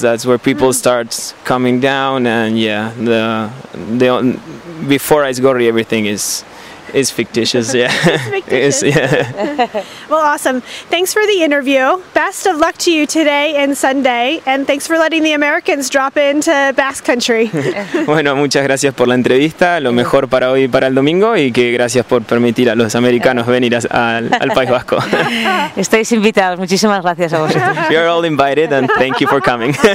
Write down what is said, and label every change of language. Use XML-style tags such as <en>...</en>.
<en>That's where people mm-hmm. start coming down, and yeah, the before Aizkorri, everything is. It's fictitious, yeah. It's fictitious. It's, yeah. Well, awesome. Thanks for the interview. Best of luck to you today and Sunday. And thanks for letting the Americans drop into Basque Country.</en> <es>Bueno, muchas gracias por la entrevista. Lo mejor para hoy y para el domingo. Y que gracias por permitir a los americanos venir al País Vasco. Estáis invitados. Muchísimas gracias a vosotros.</es> <en>You're all invited and thank you for coming.</en>